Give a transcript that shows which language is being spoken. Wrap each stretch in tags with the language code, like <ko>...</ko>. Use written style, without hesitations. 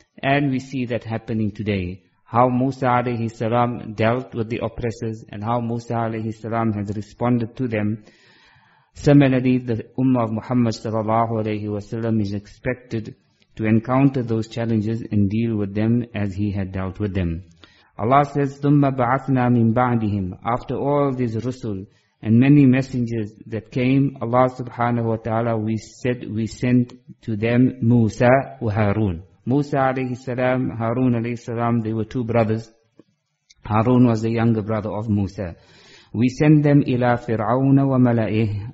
<en>And we see that happening today, how Musa alayhi salam dealt with the oppressors and how Musa alayhi salam has responded to them. Similarly, the ummah of Muhammad sallallahu alayhi wasallam is expected to encounter those challenges and deal with them as he had dealt with them.</en> <ar>Allah says, ثُمَّ بَعَثْنَا مِنْ بَعْدِهِمْ.</ar> <en>After all these rusul and many messengers that came, Allah subhanahu wa ta'ala, we sent to them Musa wa Harun. Musa alayhi salam, Harun alayhi salam, they were two brothers. Harun was the younger brother of Musa. We send them</en> <ar>ila Fir'aun wa mala'ih.</ar>